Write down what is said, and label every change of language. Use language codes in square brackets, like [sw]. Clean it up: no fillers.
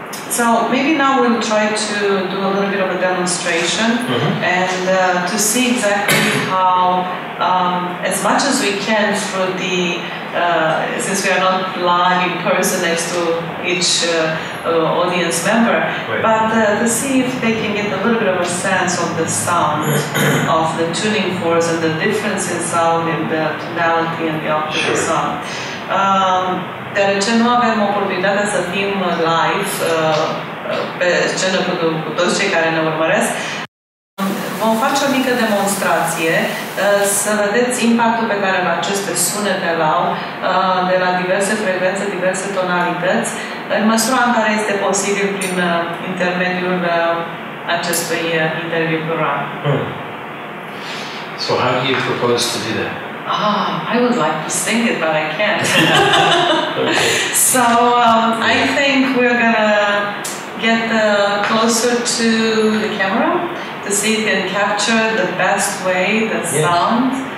[en] So maybe now we'll try to do a little bit of a demonstration and to see exactly how, as much as we can through the, since we are not live in person next to each audience member, but to see if they can get a little bit of a sense of the sound of the tuning force and the difference in sound in the tonality and the octave of sound. [ro] Deoarece nu avem oportunitatea să fim live pe scenă cu toți cei care ne urmăresc, vom face o mică demonstrație să vedeți impactul pe care aceste sunete îl au de la diverse frecvențe, diverse tonalități, în măsura în care este posibil prin intermediul acestui interviu program. [en] So how do you propose to do that? Ah, I would like to sing it, but I can't. So I think we're gonna get closer to the camera to see if it can capture the best way the sound,